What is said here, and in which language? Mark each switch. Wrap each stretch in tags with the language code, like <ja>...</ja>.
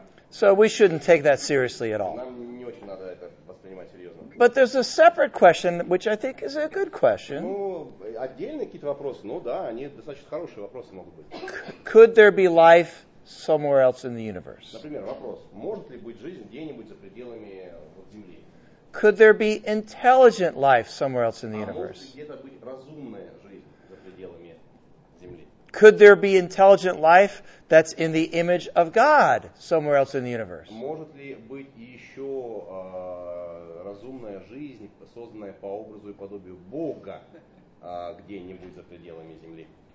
<en>So we shouldn't take that seriously at all.</en> <ru>Нам не очень надо это воспринимать серьезно.</ru> <en>But there's a separate question, which I think is a good question.</en> <ru>Ну, отдельные какие-то вопросы, ну да, они достаточно хорошие вопросы могут быть.</ru> <en>Could there be life somewhere else in the universe?</en> <ru>Например, вопрос, может ли быть жизнь где-нибудь за пределами вот, Земли?</ru> <en>Could there be intelligent life somewhere else in the universe?</en> <ru>А может ли где-то быть разумная жизнь за пределами Земли?</ru> <en>Could there be intelligent life that's in the image of God somewhere else in the universe?</en> <ru>Может ли быть еще разумная жизнь, созданная по образу и подобию Бога, где-нибудь за пределами Земли?</ru>